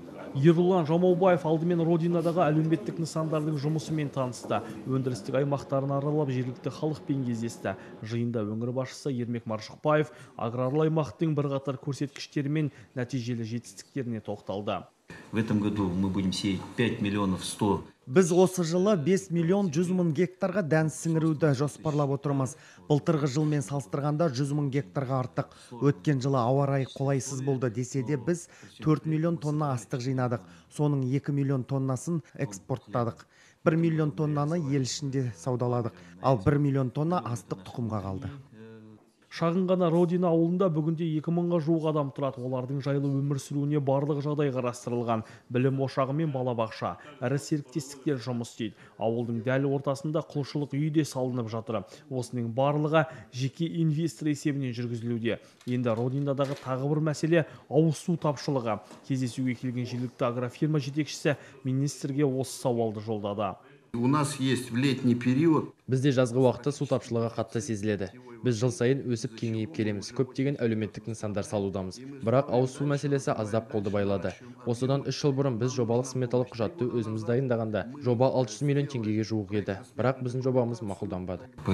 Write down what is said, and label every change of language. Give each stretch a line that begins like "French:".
Kazakh: Ерұлан Жамаубаев алдымен Родинадағы әлеуметтік нысандардың жұмысымен танысты. Өндірістік аймақтарын аралап, жергілікті халықпен кездесті. Жиында өңір басшысы Ермек Маржықпаев аграрлы аймақтың бірқатар көрсеткіштері мен нәтижелі жетістіктеріне тоқталды.
Russian: В этом году мы будем сеять 5 100 000.
Kazakh: Біз осы жылы 5 100 000 гектарға дән сіңіруді жоспарлап отырмыз. Былтырғы жылмен салыстырғанда 100 000 гектарға артық. Өткен жылы ауа райы қолайсыз болды десе де біз 4 000 000 тонна астық жинадық. Соның 2 000 000 тоннасын экспорттадық. 1 000 000 тоннаны ел ішінде саудаладық. Ал 1 000 000 тонна астық тұқымға қалды. Шағын ғана Родина ауылында бүгінде 2000-ға жуық адам тұрады. Олардың жайлы өмір сүруіне барлық жағдай қарастырылған. Білім ошағы мен балабақша, әрі серіктестіктер жұмыс істейді. Ауылдың дәл ортасында құлшылық үйі де салынып жатыр. Осының барлығы жеке инвестор есебінен жүргізілуде. Енді Родинадағы тағы бір мәселе ауыз су тапшылығы. Кездесуге келген жергілікті агрофирма жетекшісі министрге осы сауалды жолдады.
Russian: У нас есть в летний период.
Kazakh: Бізде жазғы уақытта су тапшылығы қатты сезіледі. Біз жыл сайын өсіп кеңейіп келеміз, көптеген әлеуметтік нысандар салудамыз. Бірақ ауыз су мәселесі аздап қолды байлады. Осыдан 3 жыл бұрын біз жобалық сметалық құжатты өзіміз дайындағанда, жоба 600 миллион теңгеге жуық еді. Бірақ біздің жобамыз мақұлданбады.